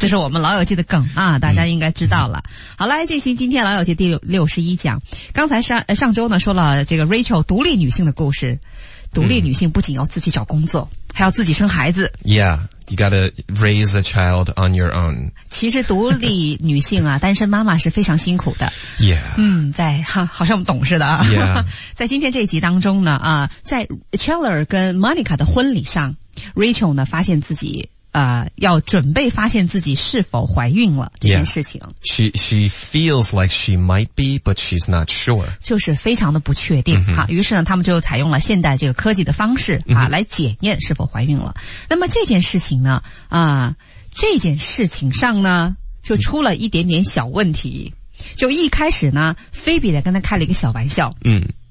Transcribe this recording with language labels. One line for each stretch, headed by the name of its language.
Chinese: 这是我们老友记的梗啊，大家应该知道了。好来进行今天老友记第61讲。刚才上周呢说了这个 Rachel 独立女性的故事。独立女性不仅要自己找工作还要自己生孩子。
English: Yeah, you gotta raise a child on your own.
Chinese: 其实独立女性啊单身妈妈是非常辛苦的。
English: Yeah.
Chinese: 嗯在好像我们懂似的啊。
English: Yeah.
Chinese: 在今天这一集当中呢啊在 Chandler 跟 Monica 的婚礼上 ,Rachel 呢发现自己要准备发现自己是否怀孕了这件事情。
English: Yeah. She feels like she might be, but she's not sure.
Chinese: 就是非常的不确定。Mm-hmm. 于是呢他们就采用了现代这个科技的方式啊、来检验是否怀孕了。那么这件事情呢这件事情上呢就出了一点点小问题。就一开始呢菲比在跟他开了一个小玩笑。嗯。